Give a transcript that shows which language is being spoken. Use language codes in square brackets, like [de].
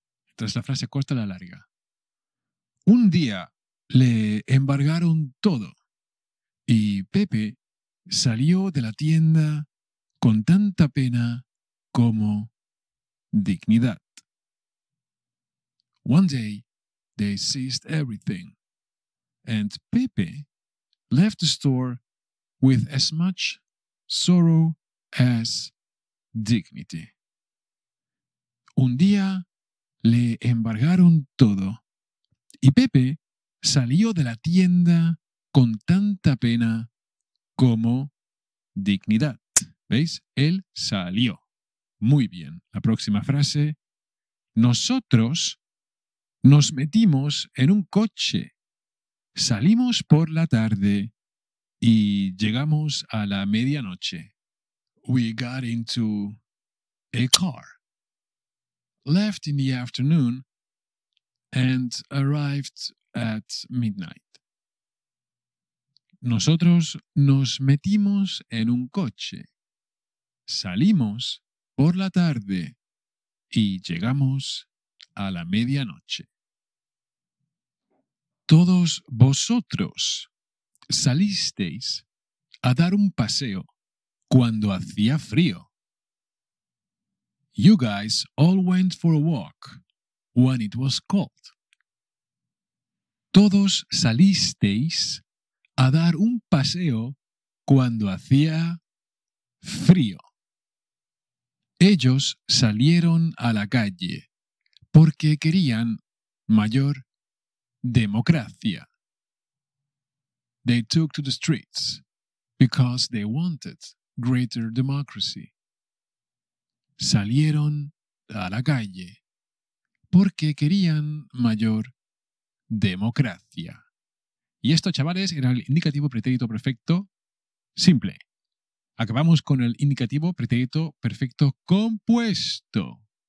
[es] Entonces la frase corta la larga. Un día le embargaron todo y Pepe salió de la tienda con tanta pena como dignidad. [en] One day they seized everything and Pepe left the store with as much sorrow as dignity. [es] Un día le embargaron todo y Pepe salió de la tienda con tanta pena como dignidad. ¿Veis? Él salió. Muy bien. La próxima frase. Nosotros nos metimos en un coche. Salimos por la tarde y llegamos a la medianoche. [en] We got into a car. Left in the afternoon and arrived at midnight. [es] Nosotros nos metimos en un coche. Salimos por la tarde y llegamos a la medianoche. Todos vosotros salisteis a dar un paseo cuando hacía frío. [en] You guys all went for a walk when it was cold. [es] Todos salisteis a dar un paseo cuando hacía frío. Ellos salieron a la calle porque querían mayor democracia. [en] They took to the streets because they wanted greater democracy. [es] Salieron a la calle porque querían mayor democracia. Y esto, chavales, era el indicativo pretérito perfecto simple. Acabamos con el indicativo pretérito perfecto compuesto.